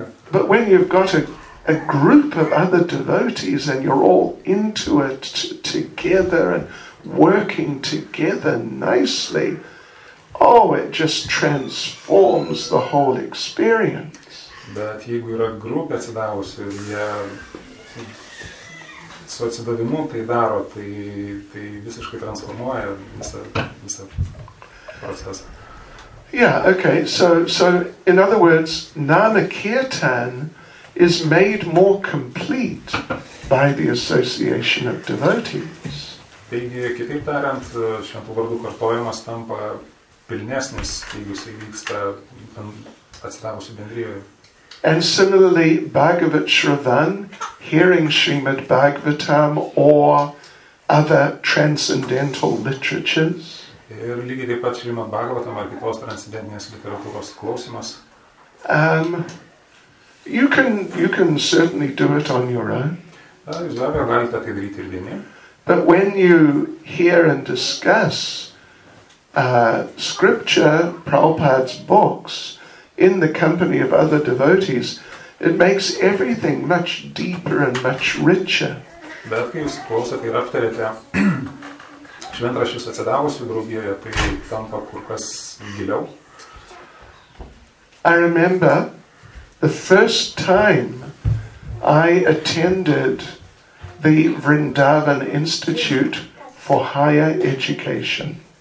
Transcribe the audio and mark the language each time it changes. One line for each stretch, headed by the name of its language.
English: But when you've got a group of other devotees and you're all into it together and working together nicely, oh, it just transforms the whole experience.
Lithuanian: Bet jeigu yra grupė atsidavusi ir jie su atsidavimu tai daro, tai visiškai transformuoja visą procesą.
English: Yeah, okay, so in other words, Nama Kirtan is made more complete by the association of devotees.
Lithuanian: Taigi, kitaip tariant, šventų vardų kartojimas tampa pilnesnis, jeigu jis vyksta atsidavusi bendrijoje.
English: And similarly, Bhagavat Shravan, hearing Srimad Bhagavatam or other transcendental literatures.
Lithuanian: Ir lygiai taip pat Srimad Bhagavatam ar kitos transcendentinės literatūros klausimas.
English: You can certainly do it on your own.
Lithuanian: Jūs be abejo galite tai daryti ir vieni.
English: But when you hear and discuss scripture, Prabhupada's books, in the company of other devotees, it makes everything much deeper and much richer.
Lithuanian: Bet kai jūs klausote ir aptarėte šventraščius atsidavusių draugijoje, tai tampa kur kas giliau.
English: I remember the first time I attended the Vrindavan Institute for Higher Education.